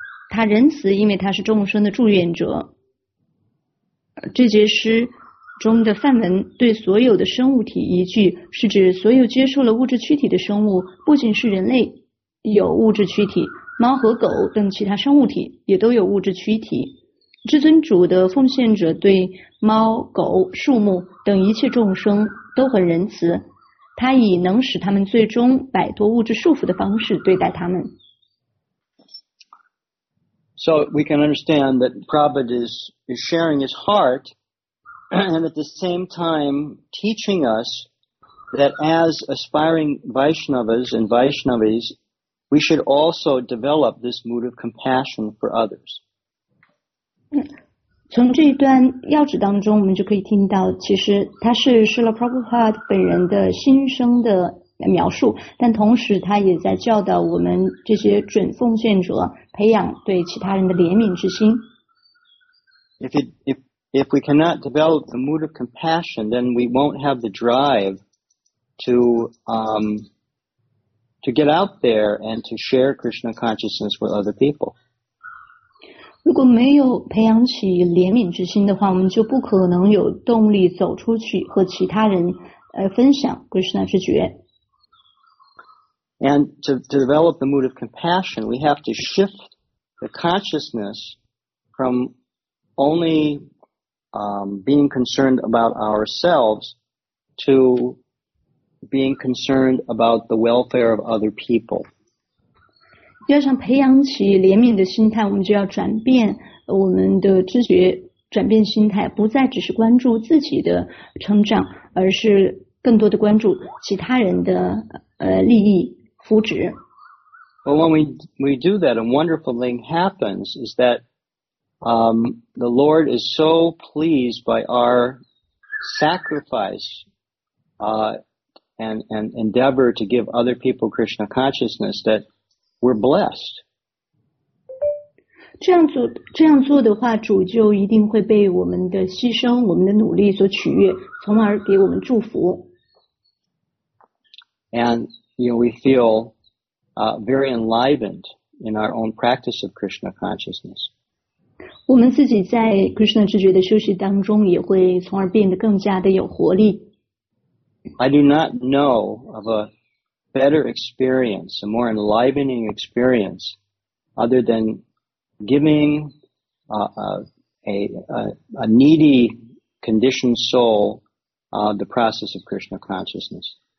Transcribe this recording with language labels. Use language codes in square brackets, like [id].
[zh] 他仁慈，因为他是众生的助愿者。这节诗中的梵文对所有的生物体一句是指所有接受了物质躯体的生物，不仅是人类有物质躯体，猫和狗等其他生物体也都有物质躯体。至尊主的奉献者对猫、狗、树木等一切众生都很仁慈，他以能使他们最终摆脱物质束缚的方式对待他们。 [en] So we can understand that Prabhupada is sharing his heart and at the same time teaching us that as aspiring Vaishnavas and Vaishnavis, we should also develop this mood of compassion for others. [zh] 从这一段要旨当中我们就可以听到其实它是Srila Prabhupada本人的心声的描述但同时他也在教导我们这些准奉献者培养对其他人的怜悯之心 [en] if we cannot develop the mood of compassion then we won't have the drive to get out there and to share Krishna consciousness with other people [zh] 如果没有培养起怜悯之心的话我们就不可能有动力走出去和其他人分享 Krishna 之觉 [en] And to develop the mood of compassion, we have to shift the consciousness from only being concerned about ourselves to being concerned about the welfare of other people. [zh] 要想培养起怜悯的心态，我们就要转变我们的知觉，转变心态，不再只是关注自己的成长，而是更多的关注其他人的利益。 [en] Well, when we do that, a wonderful thing happens is that the Lord is so pleased by our sacrifice and endeavor to give other people Krishna consciousness that we're blessed. [zh] 这样做的话，主就一定会被我们的牺牲、我们的努力所取悦，从而给我们祝福。 [en] And you know, we feel very enlivened in our own practice of Krishna consciousness. [zh] 我们自己在 Krishna 知觉的休息当中也会从而变得更加的有活力。 [en] I do not know of a better experience, a more enlivening experience, other than giving a needy conditioned soul the process of Krishna consciousness.